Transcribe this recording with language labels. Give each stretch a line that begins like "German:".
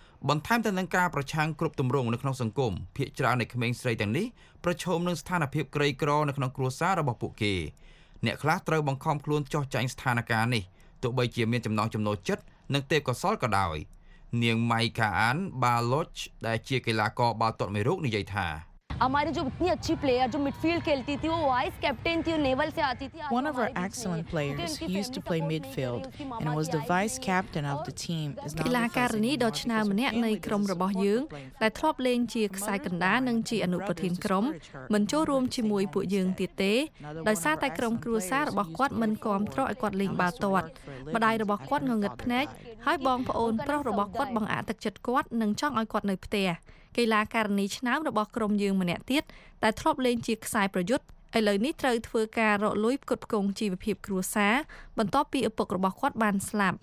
Khmer: បន្ថែមទៅនឹងការប្រឆាំងគ្រប់ទម្រង់នៅក្នុងសង្គមភាគច្រើននៃក្មេងស្រីទាំងនេះប្រឈមនឹងស្ថានភាពក្រីក្រនៅក្នុងគ្រួសាររបស់ពួកគេអ្នកខ្លះត្រូវបង្ខំខ្លួនចោះចាញ់ស្ថានភាពនេះទោះបីជាមានចំណងចំណូលចិត្តនិងទេពកោសលក៏ដោយនាងម៉ៃកាអានបាឡូចដែលជាកីឡាករបាល់ទាត់មេរុនិយាយថា
Hindi: हमारे जो इतनी अच्छी प्लेयर जो मिडफील्ड खेलती थी वो वाइस कैप्टन थी और नेवल से आती थी
English: one of our excellent players he used to play midfield and was the vice captain of the team is now लाकार
Khmer: នេះដល់ឆ្នាំម្នាក់នៃក្រុមរបស់យើងដែលធ្លាប់លេងជាខ្សែកណ្ដាលនិងជាអនុប្រធានក្រុមមិនចូលរួមជាមួយពួកយើងទៀតទេដោយសារតែក្រុមគ្រួសាររបស់គាត់មិនគ្រប់គ្រងឲ្យគាត់លេងបាល់ទាត់ម្ដាយរបស់គាត់ងងឹតភ្នែកហើយបងប្អូនប្រុសរបស់គាត់បង្អាក់ទឹកចិត្តគាត់និងចង់ឲ្យគាត់នៅផ្ទះកីឡាករនីឆ្នាំរបស់ក្រុមយើងម្នាក់ទៀតតែធ្លាប់លេងជាខ្សែប្រយុទ្ធឥឡូវនេះត្រូវធ្វើការរកលុយផ្គត់ផ្គង់ជីវភាពគ្រួសារបន្ទាប់ពីឪពុករបស់គាត់បានស្លាប